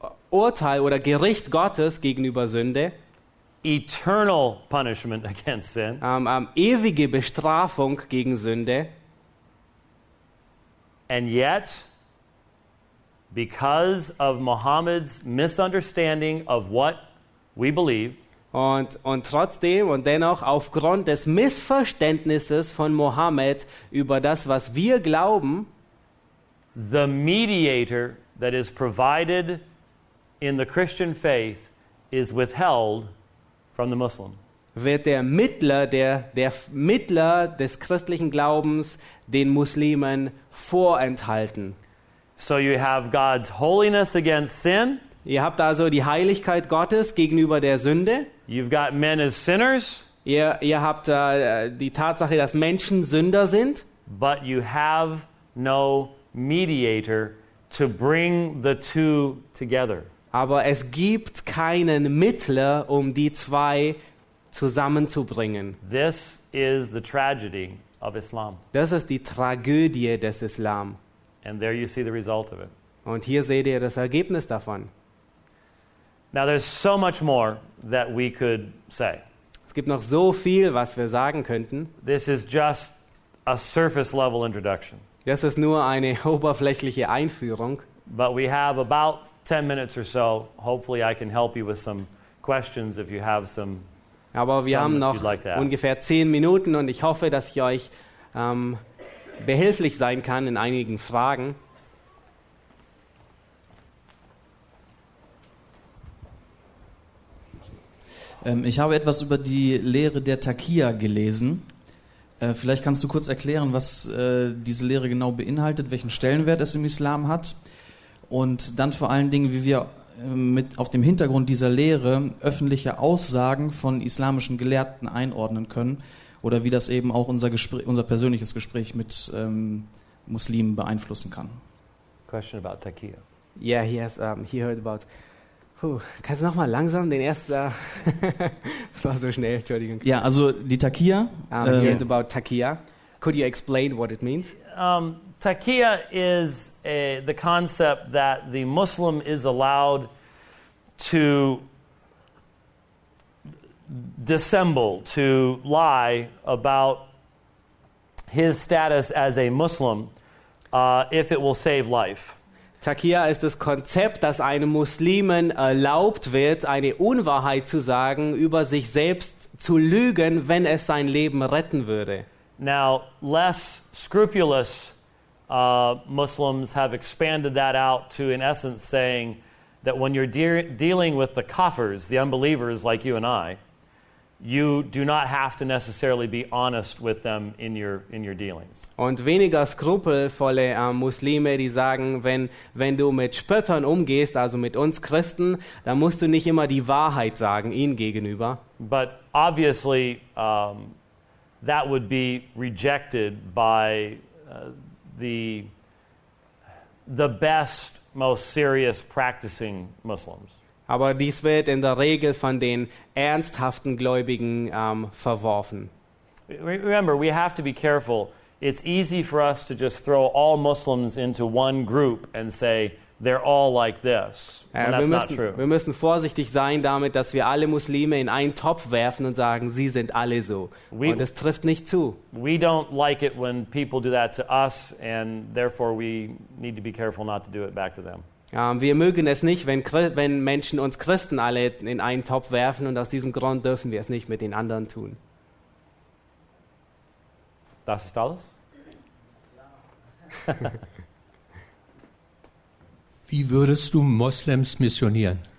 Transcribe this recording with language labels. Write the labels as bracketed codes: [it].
[de] Urteil oder Gericht Gottes gegenüber Sünde. [en] Eternal punishment against sin. [de] Ewige Bestrafung gegen Sünde. [en] And yet, because of Muhammad's misunderstanding of what we believe. [de] Und trotzdem und dennoch aufgrund des Missverständnisses von Mohammed über das, was wir glauben, [en] the mediator that is provided in the Christian faith is withheld from the Muslim. [de] Wird der Mittler, der Mittler des christlichen Glaubens den Muslimen vorenthalten. [en] So you have God's holiness against sin. [de] Ihr habt also die Heiligkeit Gottes gegenüber der Sünde. [en] You've got men as sinners. [de] Ihr habt die Tatsache, dass Menschen Sünder sind. [en] But you have no mediator to bring the two together. [de] Aber es gibt keinen Mittler, um die zwei zusammenzubringen. [en] This is the tragedy of Islam. [de] Das ist die Tragödie des Islam. [en] And there you see the result of it. [de] Und hier seht ihr das Ergebnis davon. [en] Now there's so much more that we could say. [de] Es gibt noch so viel, was wir sagen könnten. [en] This is just a surface level introduction. [de] Das ist nur eine oberflächliche Einführung. [en] But we have about 10 minutes or so. Hopefully I can help you with some questions if you have some. [de] Aber wir haben noch ungefähr 10 Minuten und ich hoffe, dass ich euch behilflich sein kann in einigen Fragen. Ich habe etwas über die Lehre der Takia gelesen. Vielleicht kannst du kurz erklären, was diese Lehre genau beinhaltet, welchen Stellenwert es im Islam hat und dann vor allen Dingen, wie wir mit auf dem Hintergrund dieser Lehre öffentliche Aussagen von islamischen Gelehrten einordnen können oder wie das eben auch unser persönliches Gespräch mit Muslimen beeinflussen kann. [en] Question about Takia. Yeah, he heard about... [de] kannst du nochmal langsam den ersten... Es war so schnell, Entschuldigung. Ja, also die Takia. [en] He heard about Takia. Could you explain what it means? Taqiyya is the concept that the Muslim is allowed to dissemble, to lie about his status as a Muslim, if it will save life. [de] Taqiyya ist das Konzept, dass einem Muslimen erlaubt wird, eine Unwahrheit zu sagen, über sich selbst zu lügen, wenn es sein Leben retten würde. [en] Now, less scrupulous Muslims have expanded that out to, in essence, saying that when you're dealing with the kafirs, the unbelievers like you and I, you do not have to necessarily be honest with them in your dealings. [de] Und weniger skrupelvolle Muslime, die sagen, wenn du mit Spöttern umgehst, also mit uns Christen, dann musst du nicht immer die Wahrheit sagen ihnen gegenüber. [en] But obviously that would be rejected by the best, most serious practicing Muslims. [de] Aber dies wird in der Regel von den ernsthaften Gläubigen verworfen. [en] Remember, we have to be careful. It's easy for us to just throw all Muslims into one group and say they're all like this. And that's not true. [de] Wir müssen vorsichtig sein damit, dass wir alle Muslime in einen Topf werfen und sagen, sie sind alle so. Und das trifft nicht zu. [en] We don't like it when people do that to us, and therefore we need to be careful not to do it back to them. [de] Wir mögen es nicht, wenn Menschen uns Christen alle in einen Topf werfen, und aus diesem Grund dürfen wir es nicht mit den anderen tun. Das ist alles? Wie würdest du Muslims missionieren?